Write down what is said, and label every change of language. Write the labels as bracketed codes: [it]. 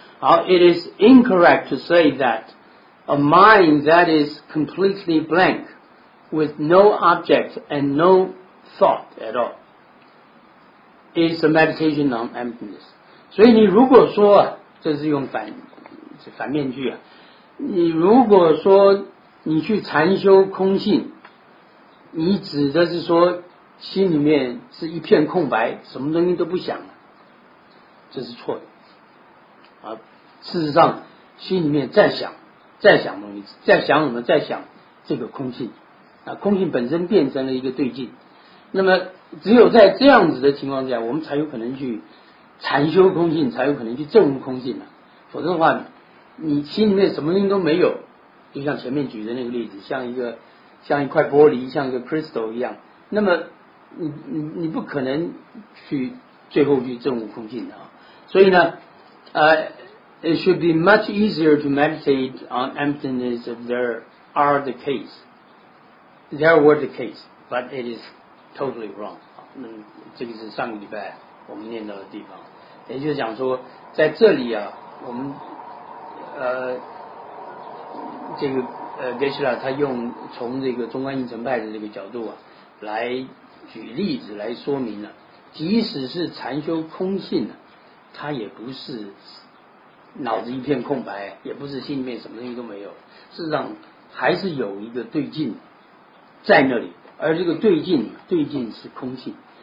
[en] 好， It is incorrect to say that a mind that is completely blank with no object and no thought at all is a meditation on emptiness。 [zh] 所以你如果说啊，这是用反面句啊，你如果说你去禅修空性，你指的是说心里面是一片空白，什么东西都不想，这是错的啊。事实上心里面再想东西，再想什么？再想这个空性啊，空性本身变成了一个对境。那么只有在这样子的情况下，我们才有可能去禅修空性，才有可能去证悟空性，否则的话你心里面什么东西都没有，就像前面举的那个例子，像一块玻璃，像一个 crystal 一样，那么你不可能去最后去证悟空性的。所以呢 [en] it should be much easier to meditate on emptiness if there were the case, but it is totally wrong。 [zh] 那这个是上个礼拜我们念到的地方，也就是讲说在这里啊，我们这个Geshe-la 他用从这个中观应成派的这个角度啊，来举例子来说明了，即使是禅修空性啊，他也不是脑子一片空白，也不是心里面什么东西都没有，事实上还是有一个对境在那里，而这个对境是空性。